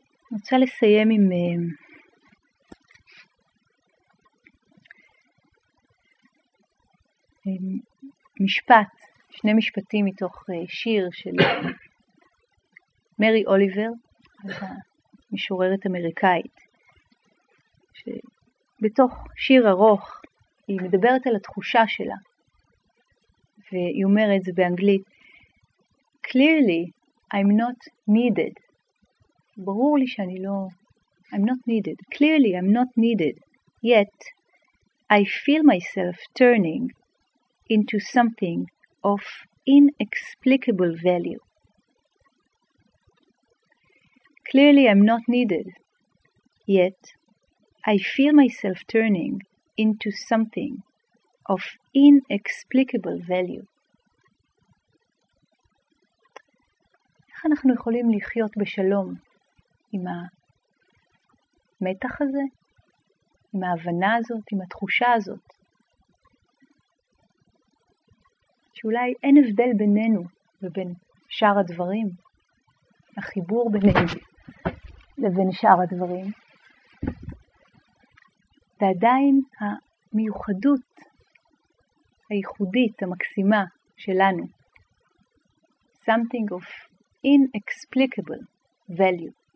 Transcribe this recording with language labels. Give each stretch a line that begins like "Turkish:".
Hebrew: אני רוצה לסיים עם משפט, שני משפטים מתוך שיר של מרי אוליבר, המשוררת אמריקאית, שבתוך שיר ארוך היא מדברת על התחושה שלה, והיא אומרת זה באנגלית,
English: Clearly, I'm not needed.
Hebrew: ברור לי שאני לא...
English: I'm not needed. Clearly, I'm not needed. Yet, I feel myself turning into something of inexplicable value. Clearly, I'm not needed. Yet, I feel myself turning into something of inexplicable value.
Hebrew: איך אנחנו יכולים לחיות בשלום עם המתח הזה, עם ההבנה הזאת, עם התחושה הזאת, שאולי אין הבדל בינינו ובין שאר הדברים, החיבור בינינו לבין שאר הדברים, ועדיין המיוחדות הייחודית, המקסימה שלנו,
English: something of inexplicable value.